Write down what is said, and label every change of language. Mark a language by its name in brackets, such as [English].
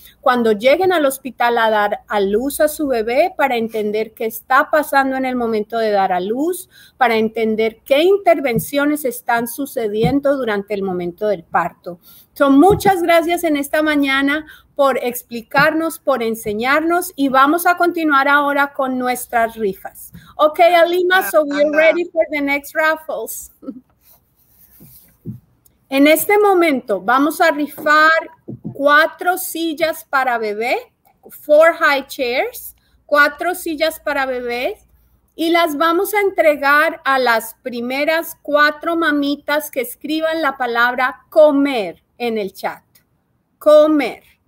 [Spanish] Cuando lleguen al hospital a dar a luz a su bebé, para entender qué está pasando en el momento de dar a luz, para entender qué intervenciones están sucediendo durante el momento del parto. So, muchas gracias en esta mañana por explicarnos, por enseñarnos, y vamos a continuar ahora con nuestras rifas. [English] Ok, Alima, so we're ready for the next raffles. [Spanish] En este momento vamos a rifar 4 sillas para bebé, 4 [English] high chairs, [Spanish] 4 sillas para bebé, y las vamos a entregar a las primeras 4 mamitas que escriban la palabra comer en el chat. Comer.